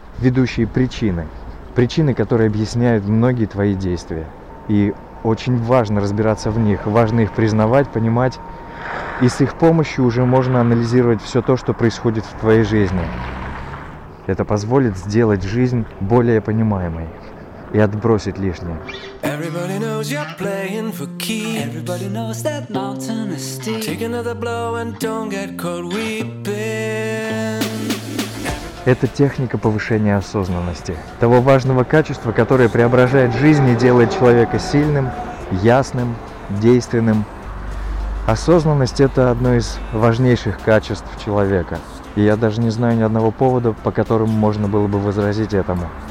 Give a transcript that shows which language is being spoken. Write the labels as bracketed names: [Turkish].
[Russian] Ведущие причины. Причины, которые объясняют многие твои действия. И очень важно разбираться в них. Важно их признавать, понимать. И с их помощью уже можно анализировать все то, что происходит в твоей жизни. Это позволит сделать жизнь более понимаемой. И отбросить лишнее. [English] Everybody knows you're playing for keeps. Everybody knows that mountain is steep. Take another blow and don't get caught weeping. [Russian] Это техника повышения осознанности. Того важного качества, которое преображает жизнь и делает человека сильным, ясным, действенным. Осознанность – это одно из важнейших качеств человека. И я даже не знаю ни одного повода, по которому можно было бы возразить этому.